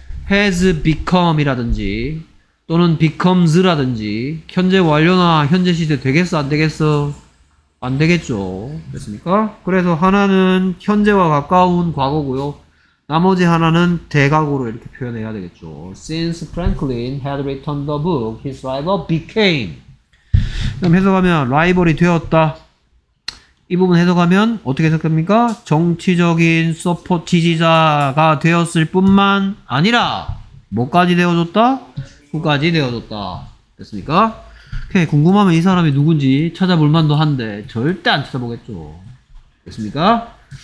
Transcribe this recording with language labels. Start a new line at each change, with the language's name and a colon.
Korean: has become 이라든지 또는 becomes 라든지 현재 완료나 현재 시제 되겠어 안 되겠어? 안 되겠죠. 됐습니까? 그래서 하나는 현재와 가까운 과거고요 나머지 하나는 대각으로 이렇게 표현해야 되겠죠.
English: since Franklin had returned the book his rival became.
Korean: 그럼 해석하면 라이벌이 되었다. 이 부분 해석하면 어떻게 해석합니까? 정치적인 서포트 지지자가 되었을 뿐만 아니라 뭐까지 되어줬다? 후까지 되어줬다. 됐습니까? 오케이, 궁금하면 이 사람이 누군지 찾아볼 만도 한데 절대 안 찾아보겠죠. 됐습니까?